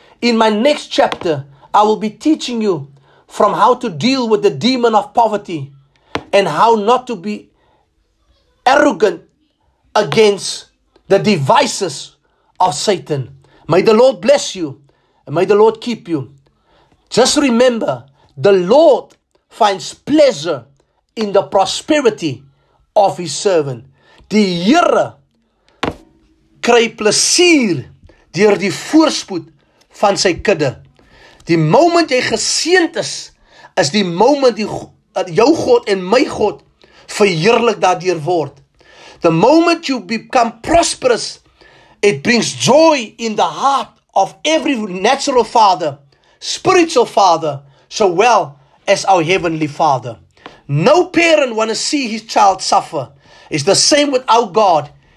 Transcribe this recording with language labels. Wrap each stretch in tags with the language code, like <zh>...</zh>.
<en>In my next chapter, I will be teaching you from how to deal with the demon of poverty and how not to be arrogant against the devices of Satan. May the Lord bless you and may the Lord keep you. Just remember, the Lord finds pleasure in the prosperity of his servant.</en> <af>Die Here kry plesier deur die voorspoed van sy kudde. Die moment jy geseend is, is die moment die jou God en my God verheerlik daardeur word.</af> <en>The moment you become prosperous, it brings joy in the heart of every natural father, spiritual father, so well as our heavenly father. No parent want to see his child suffer. It's the same with our God.</en>